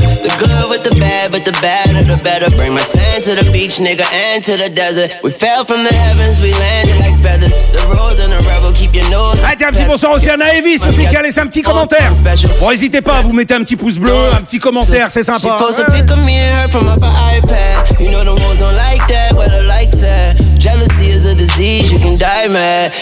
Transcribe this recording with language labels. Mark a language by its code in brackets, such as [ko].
[en] The good with the bad, but the badder the better. Bring my sand to the beach, nigga, and to the desert. We fell from the heavens, we landed like feathers. The rose and the rebel keep your nose. [fr] Hey, tiens, un petit bonsoir aussi à Naevis, aussi qui a laissé un petit commentaire. Bon, n'hésitez pas, vous mettez un petit pouce bleu, un petit commentaire, c'est sympa. [en] She posts a pic of me and her from off her iPad. You know the rose don't like that, where the likes at. Jealousy is a disease, you can die mad.